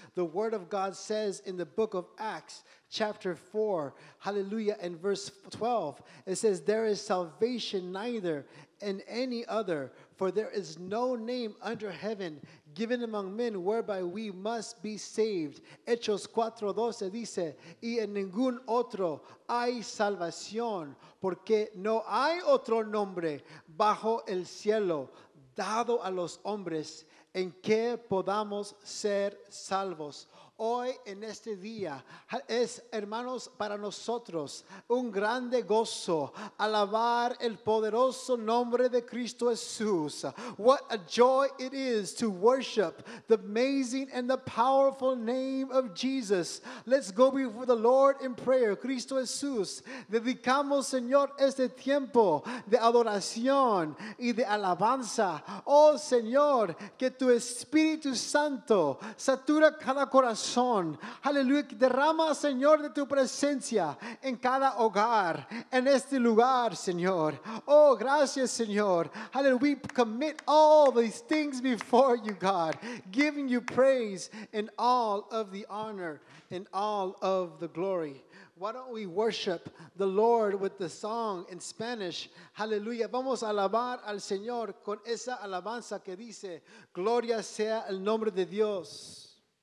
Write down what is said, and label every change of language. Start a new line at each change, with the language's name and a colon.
English: The Word of God says in the book of Acts, chapter 4, hallelujah, and verse 12, it says, there is salvation neither in any other, for there is no name under heaven given among men whereby we must be saved.
Spanish: Hechos 4:12 dice, y en ningún otro hay salvación, porque no hay otro nombre bajo el cielo dado a los hombres en que podamos ser salvos. Hoy en este día es, hermanos, para nosotros un grande gozo alabar el poderoso nombre de Cristo Jesús.
English: What a joy it is to worship the amazing and the powerful name of Jesus. Let's go before the Lord in prayer.
Spanish: Cristo Jesús, dedicamos, Señor, este tiempo de adoración y de alabanza. Oh, Señor, que tu Espíritu Santo satura cada corazón. Aleluya, derrama, Señor, de tu presencia en cada hogar, en este lugar, Señor. Oh, gracias, Señor.
English: Aleluya, we commit all these things before you, God, giving you praise and all of the honor and all of the glory. Why don't we worship the Lord with the song in Spanish? Hallelujah.
Spanish: Vamos a alabar al Señor con esa alabanza que dice, gloria sea el nombre de Dios.